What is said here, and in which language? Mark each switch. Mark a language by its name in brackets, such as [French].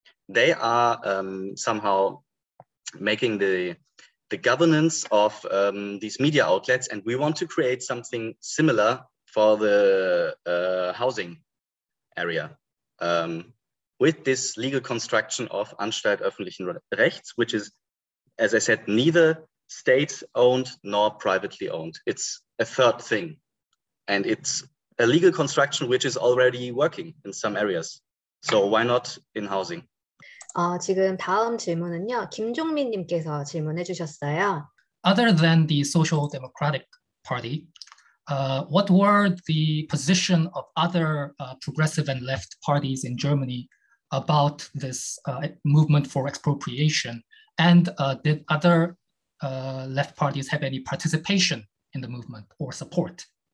[English] They are somehow making the governance of these media outlets, and we want to create something similar for the housing area with this legal construction of Anstalt öffentlichen Rechts, which is, as I said, neither state owned nor privately owned. It's a third thing, and it's a legal construction which is already working in some areas. So why not in housing? [Korean] 지금 다음 질문은요, 김종민님께서 질문해 주셨어요. [English] Other than the Social Democratic Party, what were the position of other progressive and left parties in Germany about this movement for expropriation? And did other left parties have any participation in the movement or support?